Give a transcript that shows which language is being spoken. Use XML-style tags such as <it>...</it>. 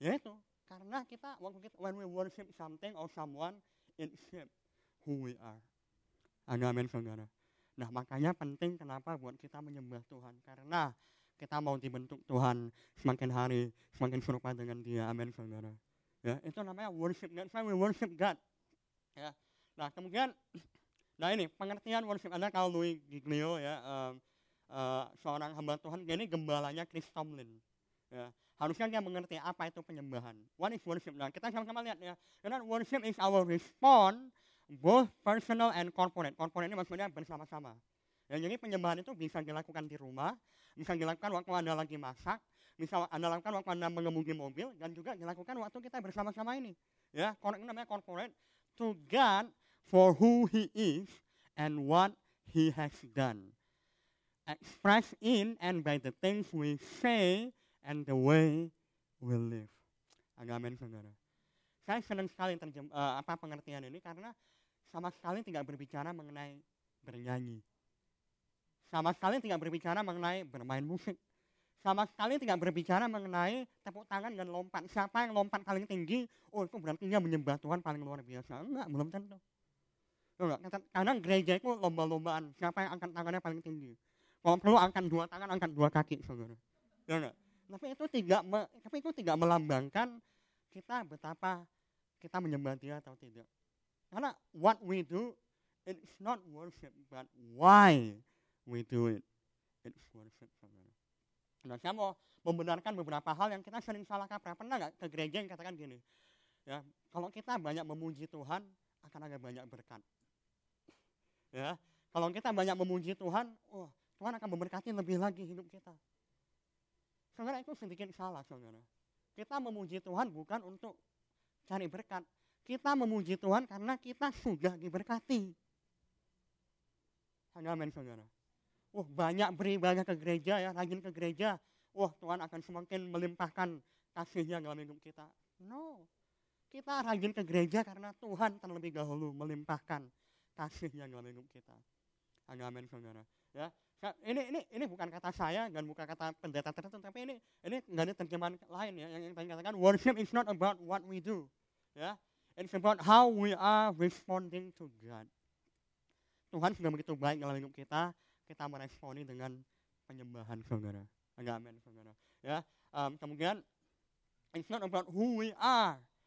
<id>Ya itu, karena kita waktu kita</id> <en>when we worship something or someone in shape who we are.</en> <id>Anda amin, saudara. Nah, makanya penting kenapa buat kita menyembah Tuhan, karena kita mau dibentuk Tuhan semakin hari semakin serupa dengan Dia. Amin, saudara. Ya, itu namanya worship.</id> <en>That's why we worship God.</en> <id>Ya. Nah, kemudian nah ini pengertian worship Anda kalau Louis Giglio ya, seorang hamba Tuhan, ini gembalanya Chris Tomlin. Ya. Harusnya dia mengerti apa itu penyembahan.</id> <en>What is worship?</en> <id>Nah, kita sama-sama lihat ya. Karena</id> <en>worship is our response both personal and corporate.</en> <id>Corporate ini maksudnya bersama-sama. Dan jadi penyembahan itu bisa dilakukan di rumah, bisa dilakukan waktu Anda lagi masak, bisa Anda lakukan waktu Anda mengemudi mobil, dan juga dilakukan waktu kita bersama-sama ini. Ya, ini namanya corporate.</id> <en>To God for who He is and what He has done. Expressed in and by the things we say and the way we live.</en> <id>Amin, saudara. Saya senang sekali pengertian ini karena sama sekali tidak berbicara mengenai bernyanyi. Sama sekali tidak berbicara mengenai bermain musik. Sama sekali tidak berbicara mengenai tepuk tangan dan lompat. Siapa yang lompat paling tinggi, oh itu berarti dia menyembah Tuhan paling luar biasa. Enggak, belum tentu. Kadang gereja itu lomba-lombaan, siapa yang angkat tangannya paling tinggi. Kalau perlu angkat dua tangan, angkat dua kaki, saudara. Ya enggak? Tapi itu tidak melambangkan kita betapa kita menyembah Dia atau tidak.</id> <en>Karena what we do, it's not worship, but why we do it, it's worship, saudara.</en> <id>Nah, saya mau membenarkan beberapa hal yang kita sering salah kaprah. Pernah enggak ke gereja yang katakan gini, ya, kalau kita banyak memuji Tuhan, akan ada banyak berkat. Ya, kalau kita banyak memuji Tuhan, oh, Tuhan akan memberkati lebih lagi hidup kita. Saudara, itu sedikit salah, saudara. Kita memuji Tuhan bukan untuk cari berkat. Kita memuji Tuhan karena kita sudah diberkati. Amin, saudara. Wah, banyak beribadah ke gereja ya, rajin ke gereja. Wah, Tuhan akan semakin melimpahkan kasih-Nya dalam hidup kita. No. Kita rajin ke gereja karena Tuhan terlebih dahulu melimpahkan kasih-Nya dalam hidup kita. Amin, saudara. Ya. Ini bukan kata saya dan bukan kata pendeta tertentu, tapi ini enggak ada terjemahan lain ya yang tadi katakan</id> <en>worship is not about what we do.</en> <id>Ya.</id> <en>It's about how we are responding to God.</en> <id>Tuhan sudah begitu baik dalam hidup kita, kita meresponi dengan penyembahan, saudara. Amin, saudara. Ya. Kemudian</id> <en>it's not about who we are.</en>